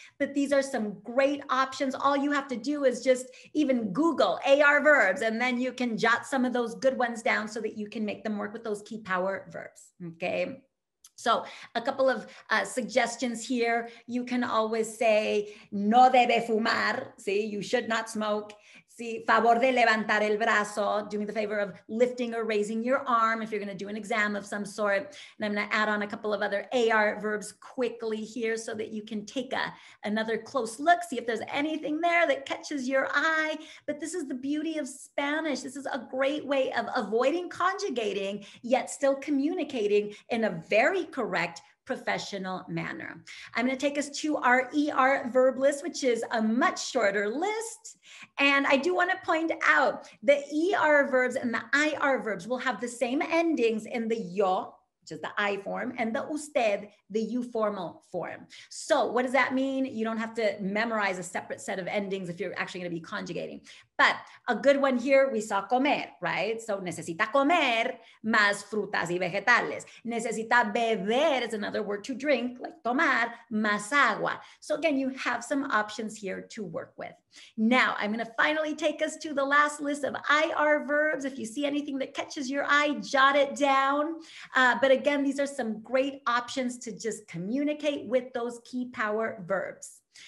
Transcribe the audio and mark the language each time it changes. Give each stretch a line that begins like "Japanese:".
English: But these are some great options. All you have to do is just even Google AR verbs, and then you can jot some of those good ones down so that you can make them work with those key power verbs. Okay. So a couple of suggestions here. You can always say,
Spanish: no debe fumar.
English: See, you should not smoke.
Spanish: See, favor de levantar el brazo.
English: Do me the favor of lifting or raising your arm if you're going to do an exam of some sort. And I'm going to add on a couple of other AR verbs quickly here so that you can take another close look, see if there's anything there that catches your eye. But this is the beauty of Spanish. This is a great way of avoiding conjugating, yet still communicating in a very correct professional manner. I'm going to take us to our ER verb list, which is a much shorter list. And I do want to point out the ER verbs and the IR verbs will have the same endings in the yo, which is the I form, and the usted, the you formal form. So what does that mean? You don't have to memorize a separate set of endings if you're actually going to be conjugating. But a good one here, we saw comer, right?
Spanish: So necesita comer más frutas y vegetales. Necesita beber
English: is another word to drink, like
Spanish: tomar, más agua.
English: So again, you have some options here to work with. Now, I'm going to finally take us to the last list of IR verbs. If you see anything that catches your eye, jot it down. But again, these are some great options to just communicate with those key power verbs.